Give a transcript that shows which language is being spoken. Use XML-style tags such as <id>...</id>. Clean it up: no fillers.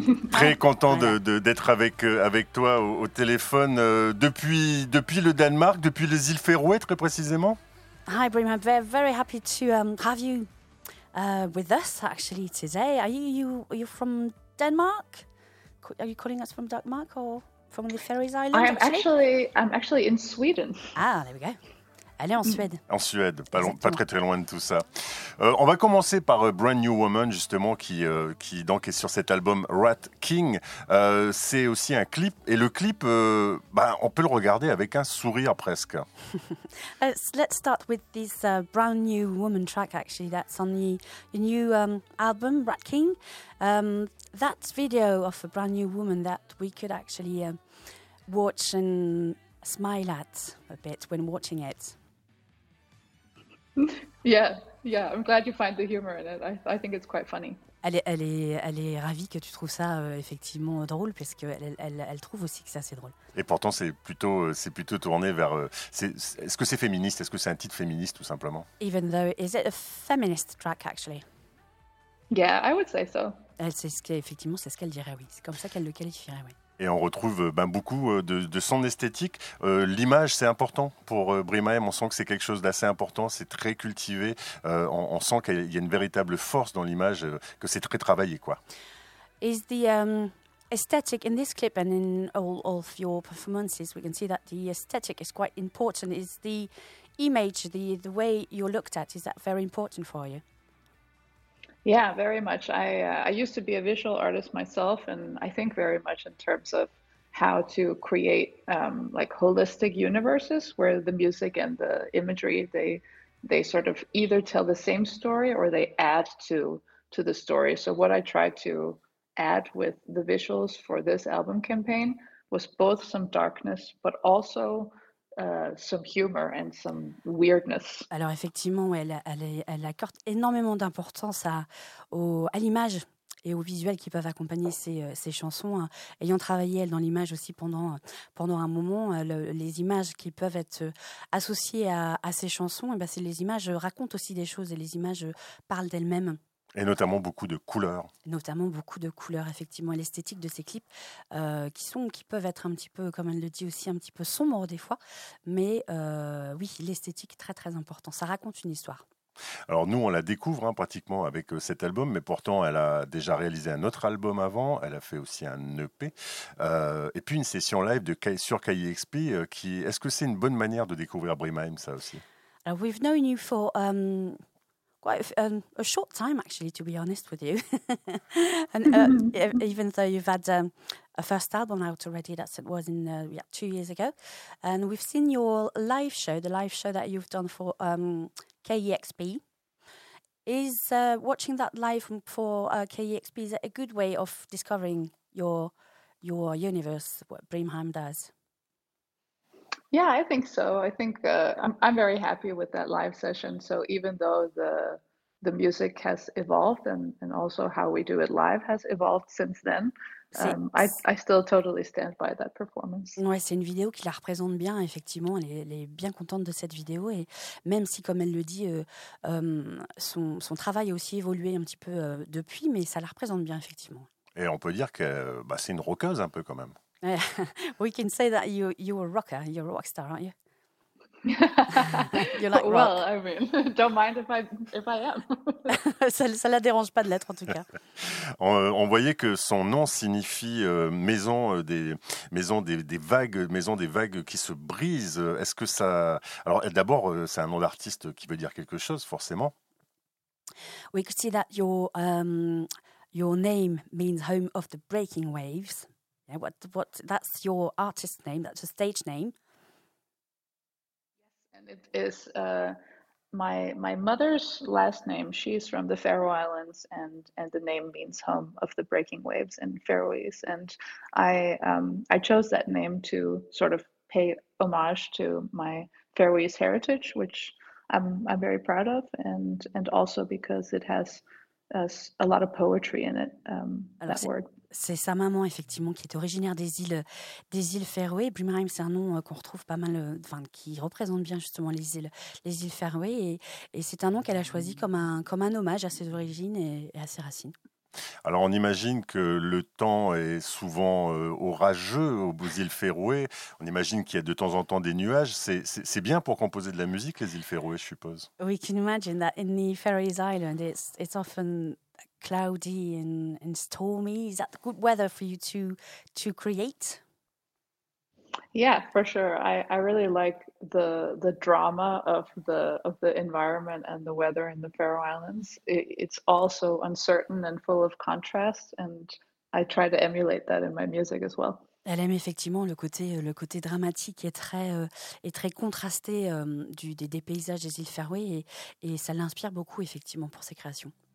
<fr>Très content d'être avec toi au téléphone depuis le Danemark, depuis les îles Féroé très précisément.</fr> <en>Hi Brimheim, we're very happy to have you with us actually today. Are you from Denmark? Are you calling us from Denmark or from the Faroe Islands? I'm actually in Sweden. Ah, there we go.</en> <fr>Elle est en Suède. En Suède, pas très très loin de tout ça. On va commencer par Brand New Woman, justement, qui donc est sur cet album Rat King. C'est aussi un clip, et le clip, on peut le regarder avec un sourire presque.</fr> <en>Let's start with this Brand New Woman track, actually, that's on the new album, Rat King. That video of a Brand New Woman that we could actually watch and smile at a bit when watching it. Yeah, I'm glad you find the humor in it. I think it's quite funny.</en> <fr>Elle est ravie que tu trouves ça effectivement drôle, parce que elle trouve aussi que c'est assez drôle. Et pourtant c'est plutôt tourné vers est-ce que c'est féministe? Est-ce que c'est un titre féministe tout simplement?</fr> <en>Even though is it a feminist track actually? Yeah, I would say so.</en> <fr>C'est ce qu'elle dirait, oui. C'est comme ça qu'elle le qualifierait, oui. Et on retrouve beaucoup de son esthétique. L'image, c'est important pour Brimheim. On sent que c'est quelque chose d'assez important. C'est très cultivé. On sent qu'il y a une véritable force dans l'image, que c'est très travaillé, quoi.</fr> <en>Is the aesthetic in this clip and in all of your performances, we can see that the aesthetic is quite important. Is the image, the way you're looked at, is that very important for you? Yeah, very much. I used to be a visual artist myself, and I think very much in terms of how to create like holistic universes where the music and the imagery, they sort of either tell the same story or they add to the story. So what I tried to add with the visuals for this album campaign was both some darkness, but also some humor and some weirdness.</en> <fr>Alors effectivement, elle accorde énormément d'importance à l'image et aux visuels qui peuvent accompagner ces chansons. Ayant travaillé elle dans l'image aussi pendant un moment, les images qui peuvent être associées à ces chansons, et bien c'est les images racontent aussi des choses et les images parlent d'elles-mêmes. Et notamment beaucoup de couleurs. Notamment beaucoup de couleurs, effectivement. Et l'esthétique de ces clips qui peuvent être un petit peu, comme elle le dit aussi, un petit peu sombres des fois. Mais oui, l'esthétique est très très important. Ça raconte une histoire. Alors nous, on la découvre hein, pratiquement avec cet album. Mais pourtant, elle a déjà réalisé un autre album avant. Elle a fait aussi un EP. Et puis une session live sur KEXP. Est-ce que c'est une bonne manière de découvrir Brimheim, ça aussi?</fr> <en>Alors, we've known you for... quite a short time, actually, to be honest with you. And even though you've had a first album out already, that it was in 2 years ago. And we've seen your live show, the live show that you've done for KEXP. Is watching that live for KEXP, is it a good way of discovering your universe, what Brimheim does? Yeah, I think so. I think I'm very happy with that live session. So even though the music has evolved and also how we do it live has evolved since then, I still totally stand by that performance.</en> <fr>Ouais, c'est une vidéo qui la représente bien, effectivement. Elle est bien contente de cette vidéo. Et même si, comme elle le dit, son travail a aussi évolué un petit peu depuis, mais ça la représente bien, effectivement. Et on peut dire que c'est une rockeuse un peu quand même.</fr> <en>We can say that you're a rocker, you're a rock star, aren't you? You like rock. Well, I mean, don't mind if I am.</en> <fr>ça la dérange pas de l'être, en tout cas. On voyait que son nom signifie maison des vagues qui se brisent. Est-ce que ça... Alors d'abord, c'est un nom d'artiste qui veut dire quelque chose, forcément.</fr> <en>We could see that your name means home of the breaking waves. Yeah, what? That's your artist name. That's a stage name. Yes, and it is my mother's last name. She's from the Faroe Islands, and the name means home of the breaking waves in Faroese. And I chose that name to sort of pay homage to my Faroese heritage, which I'm very proud of, and also because it has a lot of poetry in it, that word.</en> <fr>C'est sa maman, effectivement, qui est originaire des îles Féroé. Brimheim, c'est un nom qu'on retrouve pas mal, enfin, qui représente bien justement les îles Féroé. Et c'est un nom qu'elle a choisi comme un hommage à ses origines et à ses racines. Alors, on imagine que le temps est souvent orageux aux îles Féroé. On imagine qu'il y a de temps en temps des nuages. C'est bien pour composer de la musique, les îles Féroé, je suppose.</fr> <en>We can imagine that in the Faroese Island, it's often cloudy and stormy. Is that good weather for you to create? Yeah, for sure. I really like the drama of the environment and the weather in the Faroe Islands. It's also uncertain and full of contrast, and I try to emulate that in my music as well.</en> <fr>Elle aime effectivement le côté dramatique et très contrasté des paysages des îles Féroé et ça l'inspire beaucoup effectivement pour ses créations.</fr>